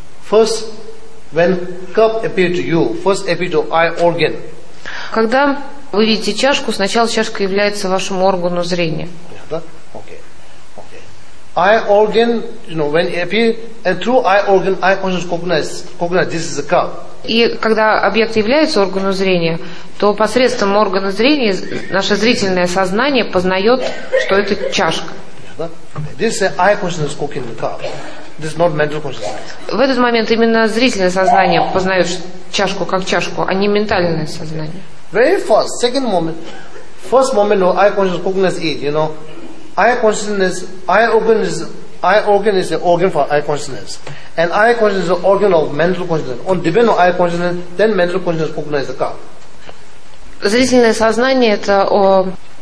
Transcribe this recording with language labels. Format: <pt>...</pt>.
<en>First, when cup appears to you, first appears to eye organ.</en> <ru>Когда вы видите чашку, сначала чашка является вашим органом зрения.</ru> <en>Eye organ, you know, when it appears, and through eye organ, eye consciousness cognizes this is a cup.</en> <ru>И когда объект является органом зрения, то посредством органа зрения наше зрительное сознание познает, что это чашка.</ru> <en>This is eye consciousness cooking the cup. This is not mental consciousness.</en> <ru>В этот момент именно зрительное сознание познает чашку как чашку, а не ментальное сознание.</ru> <en>Very fast, second moment, first moment of eye consciousness cognizes it, you know. Eye consciousness, eye organ is the organ for eye consciousness, and eye consciousness is the organ of mental consciousness. On depend on eye consciousness, then mental consciousness cognizes the cup.</en> <ru>Зрительное сознание это</ru>